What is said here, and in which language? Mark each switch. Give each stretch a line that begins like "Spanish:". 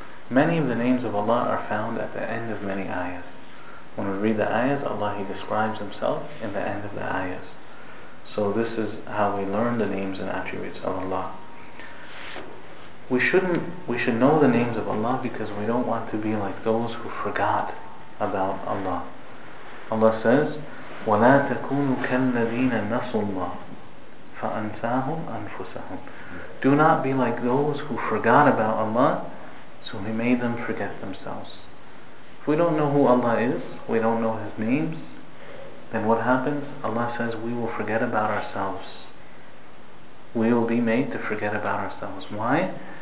English: Many of the names of Allah are found at the end of many ayahs. When we read the ayahs, Allah, He describes Himself in the end of the ayahs. So this is how we learn the names and attributes of Allah. We should know the names of Allah because we don't want to be like those who forgot about Allah.
Arabic: Allah says, وَلَا تَكُونُوا كَالَّذِينَ نَسُوا اللَّهِ فَأَنْسَاهُمْ أَنْفُسَهُمْ.
English: Do not be like those who forgot about Allah, so He made them forget themselves. If we don't know who Allah is, we don't know His names, then what happens? Allah says we will forget about ourselves. We will be made to forget about ourselves. Why?